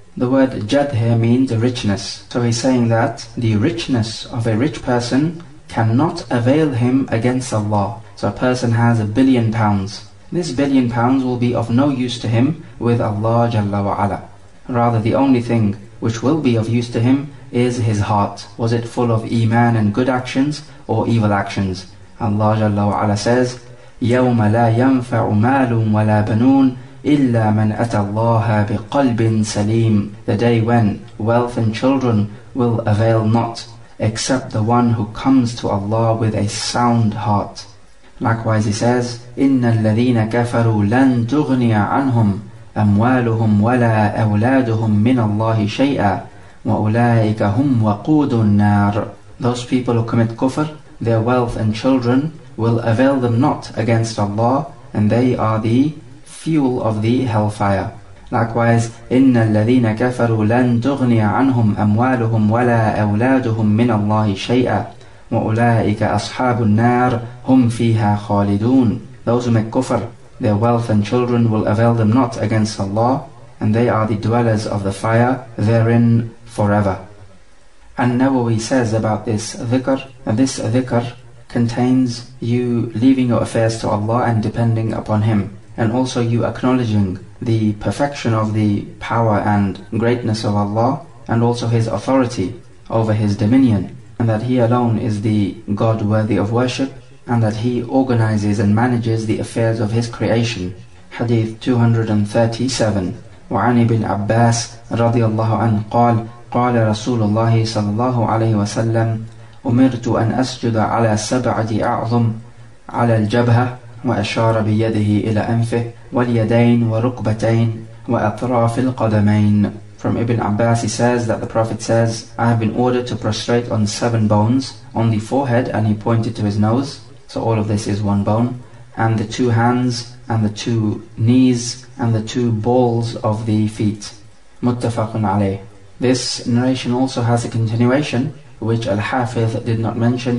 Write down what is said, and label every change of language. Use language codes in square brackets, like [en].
[en] The word jad here means richness. So he's saying that the richness of a rich person cannot avail him against Allah. So a person has £1 billion. This £1 billion will be of no use to him with Allah Jalla wa Ala. Rather, the only thing which will be of use to him is his heart. Was it full of iman and good actions or evil actions? Allah Jalla wa Ala says, [ar] يَوْمَ لَا يَنْفَعُ مَالٌ وَلَا بَنُونَ إِلَّا مَنْ أَتَى اللَّهَ بِقَلْبٍ سَلِيمٍ. [en] The day when wealth and children will avail not, except the one who comes to Allah with a sound heart. Likewise he says, [ar] إِنَّ الَّذِينَ كَفَرُوا لَنْ تُغْنِيَ عَنْهُمْ أَمْوَالُهُمْ وَلَا أَوْلَادُهُمْ مِنَ اللَّهِ شَيْئًا وَأُولَٰئِكَ هُمْ وَقُودُ النَّارِ. [en] Those people who commit kufr, their wealth and children will avail them not against Allah, and they are the fuel of the hellfire. Likewise, [ar] إِنَّ الَّذِينَ كَفَرُوا لَنْ تُغْنِيَ عَنْهُمْ أَمْوَالُهُمْ وَلَا أَوْلَادُهُمْ مِنَ اللَّهِ شَيْئًا وَأُولَٰئِكَ أَصْحَابُ النَّارِ هُمْ فِيهَا خَالِدُونَ. [en] Those who make kufr, their wealth and children will avail them not against Allah, and they are the dwellers of the fire therein forever. And Nawawi says about this dhikr, and this dhikr contains you leaving your affairs to Allah and depending upon Him, and also you acknowledging the perfection of the power and greatness of Allah, and also his authority over his dominion, and that he alone is the God worthy of worship, and that he organizes and manages the affairs of his creation. Hadith 237. [ar] وعن ابن عباس رضي الله عنه قال قال رسول الله صلى الله عليه وسلم أمرت أن أسجد على سبعة أعظم على الجبهة وأشار بيده إلى أنفه واليدين وركبتين وأطراف القدمين. [en] From Ibn Abbas, he says that the Prophet says, I have been ordered to prostrate on seven bones, on the forehead, and he pointed to his nose, so all of this is one bone, and the two hands, and the two knees, and the two balls of the feet. [ar] Muttafaqun alayh. [en] This narration also has a continuation, which Al-Hafidh did not mention.